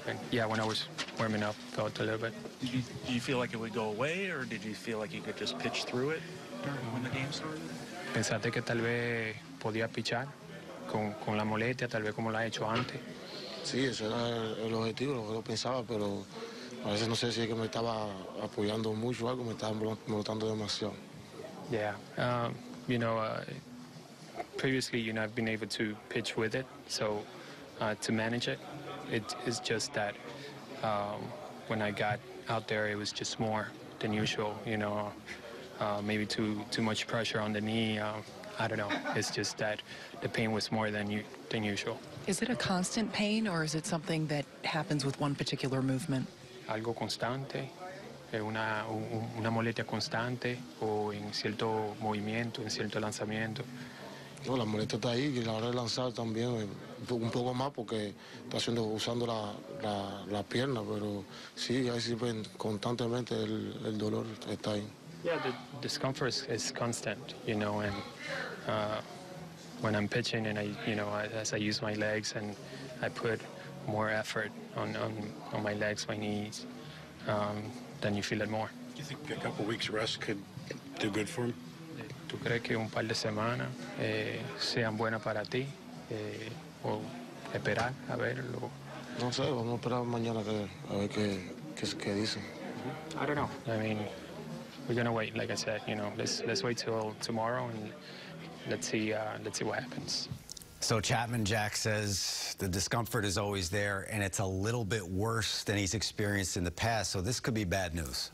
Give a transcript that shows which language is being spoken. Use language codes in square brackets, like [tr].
[en] Yeah, when I was warming up, felt a little bit. Did you feel like it would go away, or did you feel like you could just pitch through it when the game started? [es] Pensaste que tal vez podía pichar con la molestia, tal vez como lo ha hecho antes. Sí, ese era el objetivo, lo que lo pensaba, pero a veces no sé si es que me estaba apoyando mucho o algo, me estaba molestando demasiado. [en] Yeah, you know, previously, you know, I've been able to pitch with it, so to manage it. It is just that when I got out there, it was just more than usual, you know, maybe too much pressure on the knee. I don't know. It's just that the pain was more than usual. Is it a constant pain, or is it something that happens with one particular movement? [es] Algo constante, una molestia constante, o en cierto movimiento, en cierto lanzamiento. No, la molestia está ahí y la hora de lanzar también un poco más porque está haciendo usando la pierna, pero sí, ahí siempre constantemente el dolor está ahí. [en] Yeah, the discomfort is constant, you know, and when I'm pitching and I, you know, as I use my legs and I put more effort on my legs, my knees, then you feel it more. Do you think a couple of weeks rest could do good for him? [es] ¿Tú crees que un par de semanas sean buenas para ti? ¿O esperar a verlo? No sé, vamos a esperar mañana a ver qué dicen. [en] I don't know. I mean, we're going to wait, like I said, you know, let's wait till tomorrow and let's see what happens. So Chapman, Jack says the discomfort is always there and it's a little bit worse than he's experienced in the past. So this could be bad news.